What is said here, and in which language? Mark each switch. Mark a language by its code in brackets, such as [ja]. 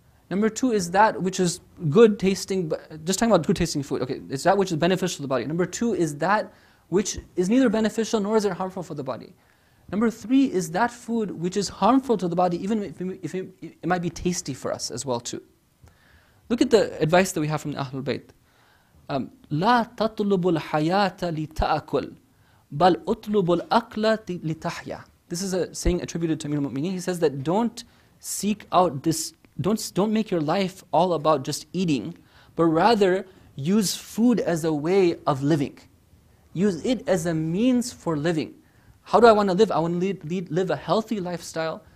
[en] Number two is that which is good tasting, but just talking about good tasting food, okay, it's that which is beneficial to the body. Number two is that which is neither beneficial nor is it harmful for the body. Number three is that food which is harmful to the body, even if it might be tasty for us as well too. Look at the advice that we have from the Ahlul Bayt. [ar] لا تطلب الحياة لتأكل بل أطلب الأكل لتحيا. [en] This is a saying attributed to Amir al-Mu'mineen. He says that don't seek out this, don't make your life all about just eating, but rather use food as a way of living. Use it as a means for living. How do I want to live? I want to live a healthy lifestyle.